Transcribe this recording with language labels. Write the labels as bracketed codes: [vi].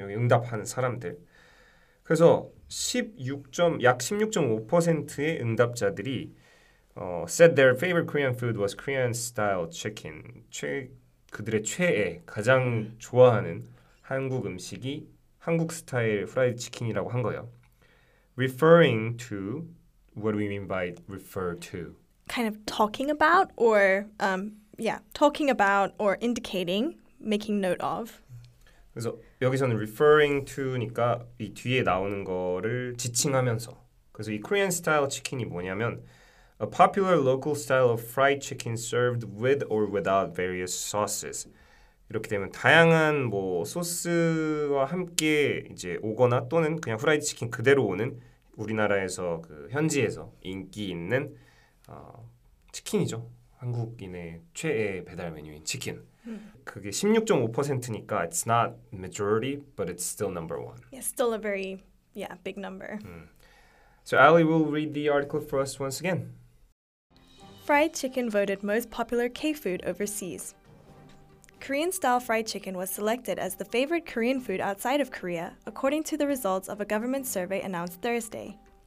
[ko] 여기 응답하는 사람들. 그래서 약 16.5%의 응답자들이 [en] said their favorite Korean food was Korean style chicken. [ko] 그들의 최애, 가장 좋아하는 한국 음식이 한국 스타일 프라이드 치킨이라고 한 거예요. [en] Referring to, what do we mean by refer to? Kind of talking about or talking about or indicating, making note of. [ko] 그래서 여기서는 referring to니까 이 뒤에 나오는 거를 지칭하면서. 그래서 이 Korean style chicken이 뭐냐면 [en] a popular local style of fried chicken served with or without various sauces. [ko] 이렇게 되면 다양한 뭐 소스와 함께 이제 오거나 또는 그냥 후라이드 치킨 그대로 오는 우리나라에서 그 현지에서 인기 있는 치킨이죠. 한국인의 최애 배달 메뉴인 치킨. 그게 16.5%니까 [en] it's not majority, but it's still number one. Yeah, still a very, big number. So Ali will read the article for us once again. Fried chicken voted most popular K-food overseas. Korean-style fried chicken was selected as the favorite Korean food outside of Korea, according to the results of a government survey announced Thursday.